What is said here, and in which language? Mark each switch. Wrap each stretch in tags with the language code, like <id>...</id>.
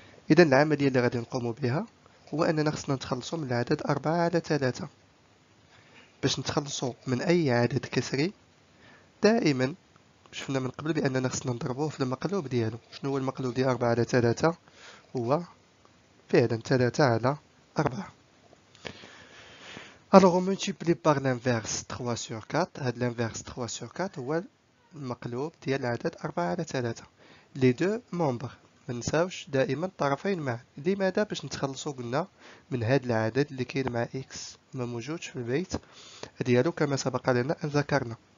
<ar>إذا العملية اللي غادي نقوم بها هو أننا خصنا نتخلصوا من العدد 4 على 3. باش نتخلصوا من أي عدد كسري دائما شفنا من قبل بأننا خصنا نضربوه في المقلوب ديالو. شنو هو المقلوب ديال 4 على 3؟ هو فعلا 3 على 4.</ar> <fr>Alors on multiplie par l'inverse 3 sur 4.</fr> <ar>هاد</ar> <fr>l'inverse 3 sur 4</fr> <ar>هو المقلوب ديال العدد 4 على 3.</ar> <fr>لي دو مومبر،</fr> <ar>ما نساوش دائما الطرفين معا. لماذا؟ باش نتخلصوا قلنا من هاد العدد اللي كاين مع اكس ما موجودش في البيت ديالو كما سبق لنا ان ذكرنا.</ar>